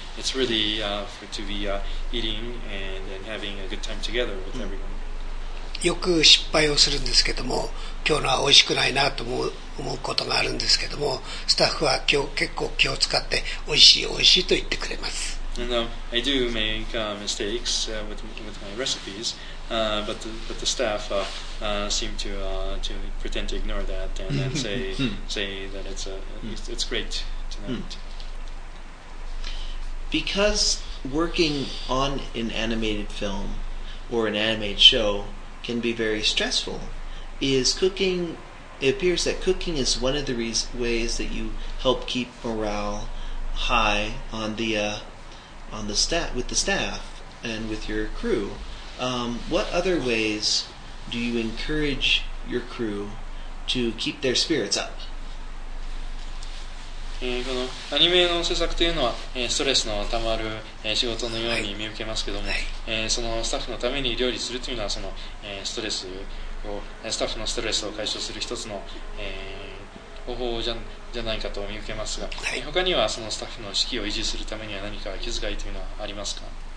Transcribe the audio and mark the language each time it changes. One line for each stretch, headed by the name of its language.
English: It's really to be eating and having a good time together with everyone.
Japanese: よく失敗をするんですけども、今日のは美味しくないなと思うことがあるんですけども、スタッフは今日結構気を使って美味しい美味しいと言ってくれます。
English: And, I do make mistakes with my recipes, but the staff seem to pretend to ignore that and then say that it's great tonight. Because working on an animated film or an animated show can be very stressful, It appears that cooking is one of the ways that you help keep morale high with the staff and with your crew. What other ways do you encourage your crew to keep their spirits up?
Japanese: このアニメの制作というのは、ストレスのたまる、仕事のように見受けますけども、そのスタッフのために料理するというのはその、ストレスをスタッフのストレスを解消する一つの、方法じゃないかと見受けますが、他にはそのスタッフの士気を維持するためには何か気遣いというのはありますか？